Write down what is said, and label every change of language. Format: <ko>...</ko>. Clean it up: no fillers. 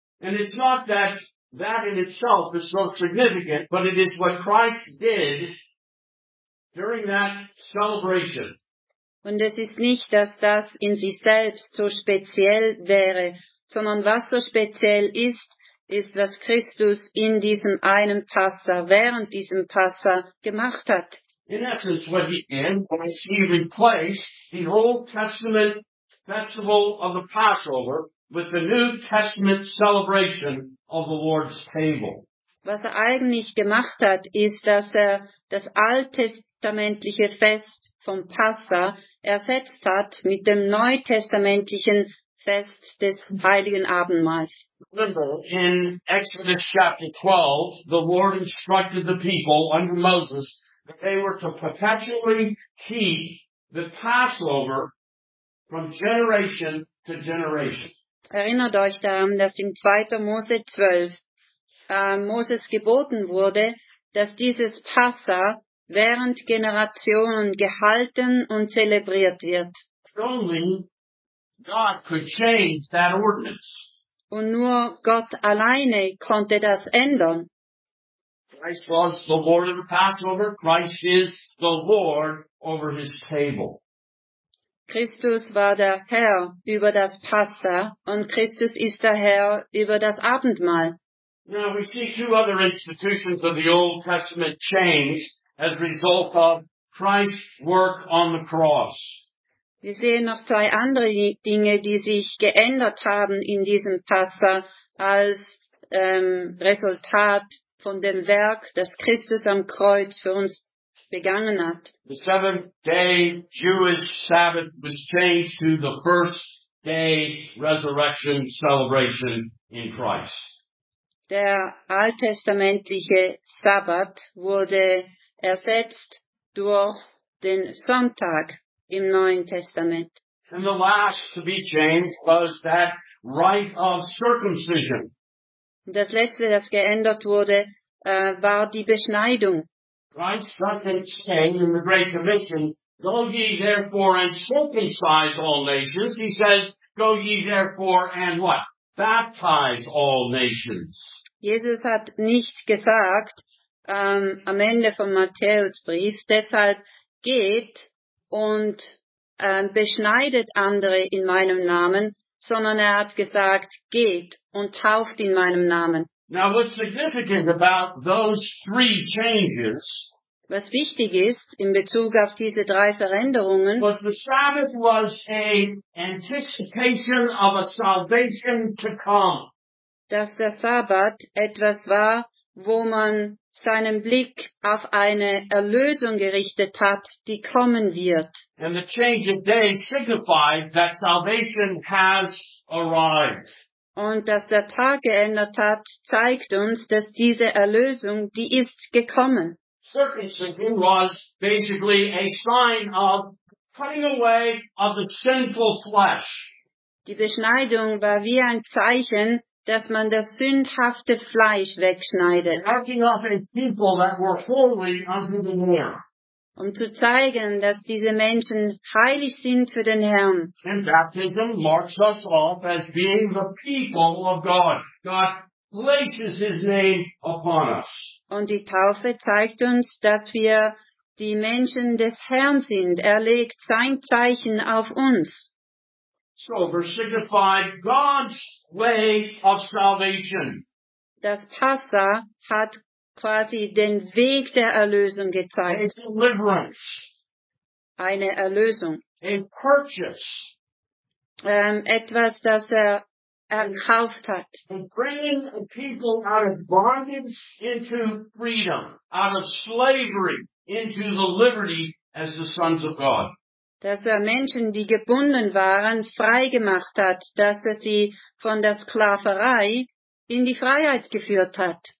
<en>And it's not that that in itself is so significant, but it is what Christ did during that celebration.</en> <de>Und es ist nicht, dass das in sich selbst so speziell wäre, sondern was so speziell ist, ist, was Christus in diesem einen Passa, während diesem Passa gemacht hat.</de> <en>In essence, what he did was he replaced the Old Testament festival of the Passover with the New Testament celebration of the Lord's table.</en> <de>Was er eigentlich gemacht hat, ist, dass er das alttestamentliche Fest vom Passa ersetzt hat mit dem neutestamentlichen Fest des Heiligen Abendmahls.</de> <en>In Exodus chapter 12, the Lord instructed the people under Moses that they were to perpetually keep the Passover from generation to generation.</en> <de>Erinnert euch daran, dass im 2. Mose 12 Moses geboten wurde, dass dieses Passa während Generationen gehalten und zelebriert wird.</de> <en>Only God could change that ordinance.</en> <de>Und nur Gott alleine konnte das ändern.</de> <en>Christ was the Lord of the Passover. Christ is the Lord over his table.</en> <de>Christus war der Herr über das Passa und Christus ist der Herr über das Abendmahl.</de> <en>Now we see two other institutions of the Old Testament changed as a result of Christ's work on the cross.</en> <de>Wir sehen noch zwei andere Dinge, die sich geändert haben in diesem Passa als Resultat von dem Werk, das Christus am Kreuz für uns begangen hat.</de> <en>The seventh day Jewish Sabbath was changed to the first day resurrection celebration in Christ.</en> <de>Der alttestamentliche Sabbat wurde ersetzt durch den Sonntag im Neuen Testament.</de> <en>And the last to be changed was that rite of circumcision.</en> <de>Das letzte, das geändert wurde, war die Beschneidung.</de> <en>Christ doesn't say in the Great Commission, go ye therefore and circumcise all nations. He says, go ye therefore and what? Baptize all nations.</en> <de>Jesus hat nicht gesagt, am Ende vom Matthäusbrief, deshalb geht und beschneidet andere in meinem Namen, sondern er hat gesagt, geht und tauft in meinem Namen.</de> <en>Now what's significant about those three changes?</en> <de>Was wichtig ist in Bezug auf diese drei Veränderungen?</de> <en>Was the Sabbath was an anticipation of a salvation to come.</en> <de>Dass der Sabbat etwas war, wo man seinen Blick auf eine Erlösung gerichtet hat, die kommen wird.</de> <en>And the change of day signified that salvation has arrived.</en> <de>Und dass der Tag geändert hat, zeigt uns, dass diese Erlösung, die ist gekommen.</de> <en>Circumcision was basically a sign of cutting away of the sinful flesh.</en> <de>Die Beschneidung war wie ein Zeichen, dass man das sündhafte Fleisch wegschneidet.</de> <en>Cutting off a people that were holy unto the Lord.</en> <de>Um zu zeigen, dass diese Menschen heilig sind für den Herrn.</de> <en>And baptism marks us off as being the people of God. God places his name upon us.</en> <de>Und die Taufe zeigt uns, dass wir die Menschen des Herrn sind. Er legt sein Zeichen auf uns.</de> <en>So, verse signified God's way of salvation.</en> <de>Das Passa hat quasi den Weg der Erlösung gezeigt.</de> <en>A deliverance.</en> <de>Eine Erlösung.</de> <en>A purchase.</en> <de>Etwas, das er erkauft hat.</de> <en>And bringing a people out of bondage into freedom, out of slavery into the liberty as the sons of God.</en> <de>Dass er Menschen, die gebunden waren, frei gemacht hat, dass er sie von der Sklaverei in die Freiheit geführt hat.</de>